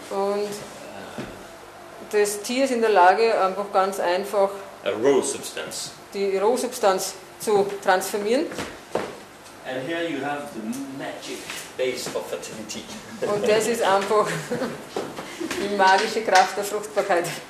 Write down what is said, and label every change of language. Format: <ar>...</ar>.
<de>Und das Tier ist in der Lage, einfach ganz einfach</de> <en>a raw substance.</en> <de>Die Rohsubstanz zu transformieren.</de> <en>And here you have the magic base of fertility.</en> <de>Und das ist einfach die magische Kraft der Fruchtbarkeit.</de>